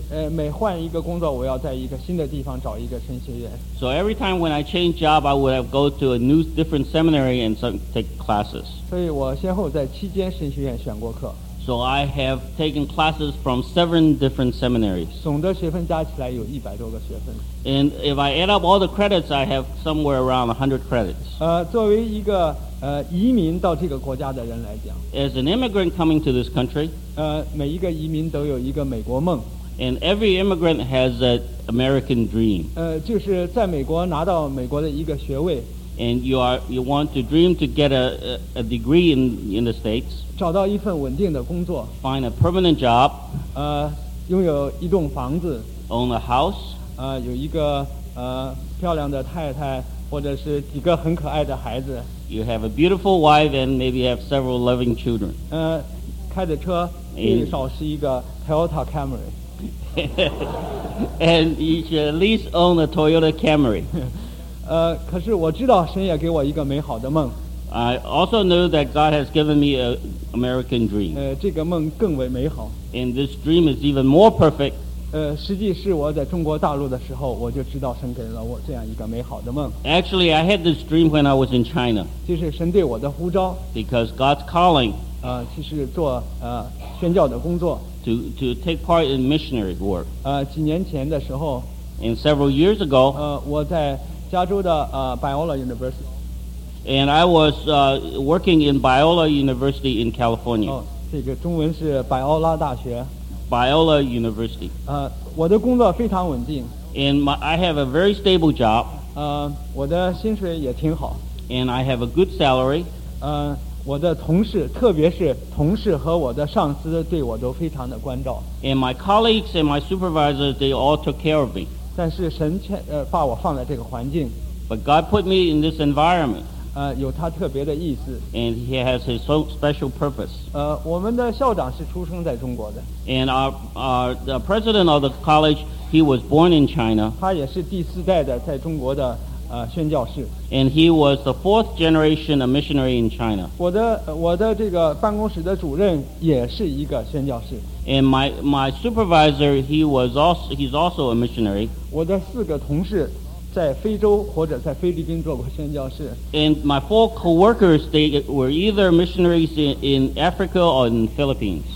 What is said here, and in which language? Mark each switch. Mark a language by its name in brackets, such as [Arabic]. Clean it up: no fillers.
[Chinese] 每换一个工作，我要在一个新的地方找一个神学院。 [English] So every time when I change job, I would have go to a new different seminary and take classes. [Chinese] 所以我先后在七间神学院选过课。 [English] So I have taken classes from seven different seminaries. [Chinese] 总的学分加起来有一百多个学分。 [English] And if I add up all the credits, I have somewhere around 100 credits. [Chinese] 作为一个移民到这个国家的人来讲。 [English] As an immigrant coming to this country. [Chinese] 每一个移民都有一个美国梦。 [English] And every immigrant has an American dream. [Chinese] 就是在美国拿到美国的一个学位。 [English] And you want to dream to get a degree in the States. [Chinese] 找到一份稳定的工作。 [English] Find a permanent job. [Chinese] 拥有一栋房子。 [English] Own a house. [Chinese] 有一个漂亮的太太，或者是几个很可爱的孩子。 [English] You have a beautiful wife and maybe have several loving children. [Chinese] 开着车，最少是一个 Toyota Camry. [English] And you should at least own a Toyota Camry. [Chinese] 可是我知道神也给我一个美好的梦。 [English] I also know that God has given me an American dream. [Chinese] 这个梦更为美好。 [English] And this dream is even more perfect. [Chinese] 实际是我在中国大陆的时候，我就知道神给了我这样一个美好的梦。 [English] Actually, I had this dream when I was in China. [Chinese] 就是神对我的呼召。 [English] Because God's calling. [Chinese] 就是做宣教的工作。 [English] To take part in missionary work. [Chinese] 几年前的时候。 [English] And several years ago. [Chinese] 我在加州的Biola University. [English] And I was working in Biola University in California. [Chinese] 这个中文是百奥拉大学。 [English] Biola University. [Chinese] 我的工作非常稳定。 [English] And I have a very stable job. [Chinese] 我的薪水也挺好。 [English] And I have a good salary. [Chinese] 我的同事，特别是同事和我的上司，对我都非常的关照。 [English] And my colleagues and my supervisors, they all took care of me. [Chinese] 但是神却把我放在这个环境。 [English] But God put me in this environment. [Chinese] 有他特别的意思。 [English] And he has his special purpose. [Chinese] 我们的校长是出生在中国的。 [English] And the president of the college, he was born in China. [Chinese] 他也是第四代的在中国的宣教士。 [English] And he was the fourth generation of missionary in China. [Chinese] 我的这个办公室的主任也是一个宣教士。 [English] And my supervisor, he's also a missionary. [Chinese] 我的四个同事在非洲或者在菲律宾做过宣教士。 [English] And my four co-workers, they were either missionaries in Africa or in Philippines.